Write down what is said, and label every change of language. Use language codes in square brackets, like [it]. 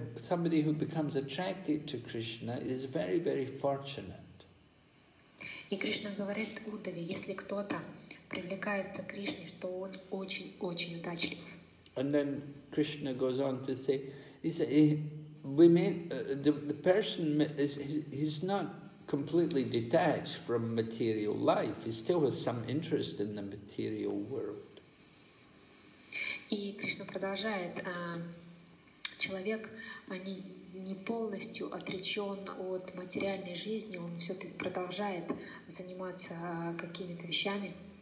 [en] Somebody who becomes attracted to Krishna is very, very fortunate. [ru] И Кришна говорит Уддхаве, если кто-то привлекается к Кришне, что он очень-очень удачлив. [en] And then Krishna goes on to say, he's not completely detached from material life. He still has some interest in the material world. [ru] И Кришна продолжает, человек не полностью отречен от материальной жизни, он все-таки продолжает заниматься какими-то вещами.